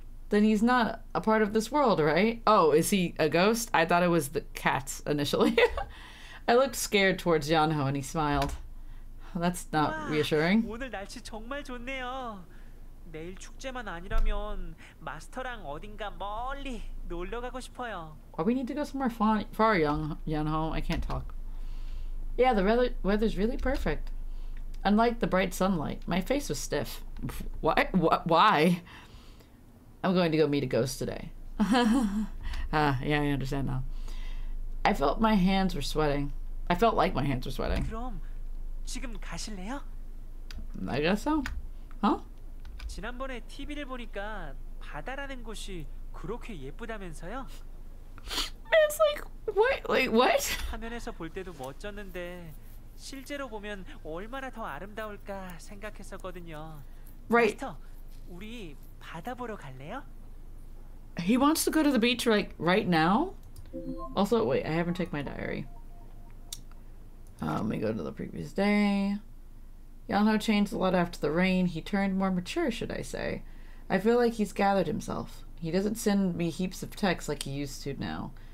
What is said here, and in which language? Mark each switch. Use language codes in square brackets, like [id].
[en] Then he's not a part of this world, right? Oh, is he a ghost? I thought it was the cats initially. I looked scared towards Yeonho and he smiled. That's not reassuring. [ko] 오늘 날씨 정말 좋네요. 내일 축제만 아니라면 마스터랑 어딘가 멀리 놀러 가고 싶어요. [en] Well, we need to go somewhere far, Yeonho. I can't talk. Yeah, the weather's really perfect. Unlike the bright sunlight, my face was stiff. Why? I'm going to go meet a ghost today. yeah, I understand now. I felt like my hands were sweating. [ko] 그럼 지금 가실래요? [en] I guess so. Huh? [ko] 지난번에 TV를 보니까 바다라는 곳이 그렇게 예쁘다면서요? [en] It's like, what? [ko] 화면에서 볼 때도 멋졌는데 실제로 보면 얼마나 더 아름다울까 생각했었거든요. [en] Right. [ko] 우리 바다 보러 갈래요? [en] He wants to go to the beach like right now? Also, wait, I haven't checked my diary. Let me go to the previous day. Yeonho changed a lot after the rain. He turned more mature, should I say. I feel like he's gathered himself. He doesn't send me heaps of texts like he used to now.